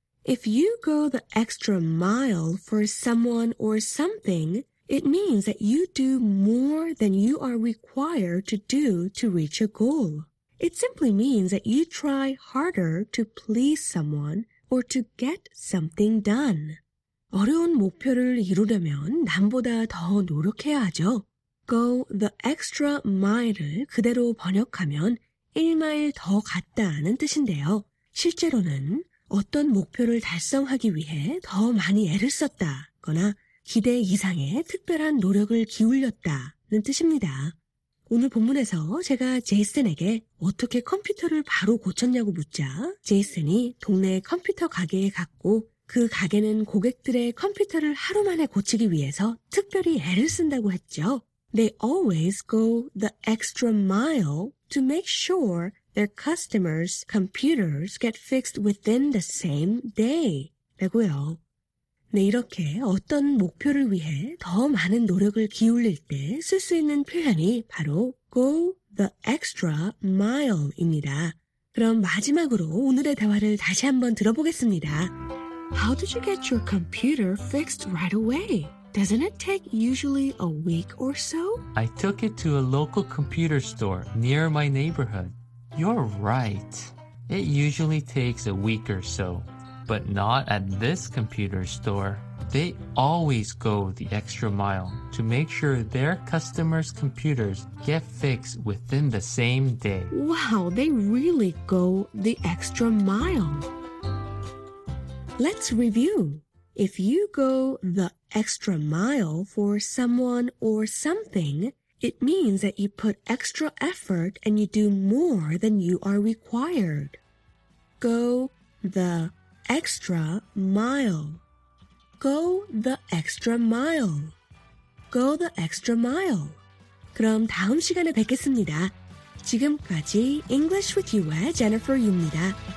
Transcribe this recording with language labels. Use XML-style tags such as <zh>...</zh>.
<en>If you go the extra mile for someone or something, it means that you do more than you are required to do to reach a goal. It simply means that you try harder to please someone or to get something done.</en> <ko>어려운 목표를 이루려면 남보다 더 노력해야 하죠.</ko> <en>Go the extra mile</en> <ko>을 그대로 번역하면 1마일 더 갔다는 뜻인데요. 실제로는 어떤 목표를 달성하기 위해 더 많이 애를 썼다거나 기대 이상의 특별한 노력을 기울였다는 뜻입니다. 오늘 본문에서 제가 제이슨에게 어떻게 컴퓨터를 바로 고쳤냐고 묻자 제이슨이 동네 컴퓨터 가게에 갔고 그 가게는 고객들의 컴퓨터를 하루 만에 고치기 위해서 특별히 애를 쓴다고 했죠.</ko> <en>They always go the extra mile to make sure their customers' computers get fixed within the same day.</en> <ko>라고요. 네, 이렇게 어떤 목표를 위해 더 많은 노력을 기울일 때 쓸 수 있는 표현이 바로</ko> <en>go the extra mile</en> <ko>입니다. 그럼 마지막으로 오늘의 대화를 다시 한번 들어보겠습니다.</ko> <en>How did you get your computer fixed right away? Doesn't it take usually a week or so? I took it to a local computer store near my neighborhood. You're right. It usually takes a week or so. But not at this computer store. They always go the extra mile to make sure their customers' computers get fixed within the same day. Wow, they really go the extra mile. Let's review. If you go the extra mile for someone or something, it means that you put extra effort and you do more than you are required. Go the extra mile. Go the extra mile. Go the extra mile.</en> <ko>그럼 다음 시간에 뵙겠습니다. 지금까지 English with you의 Jennifer 유입니다.</ko>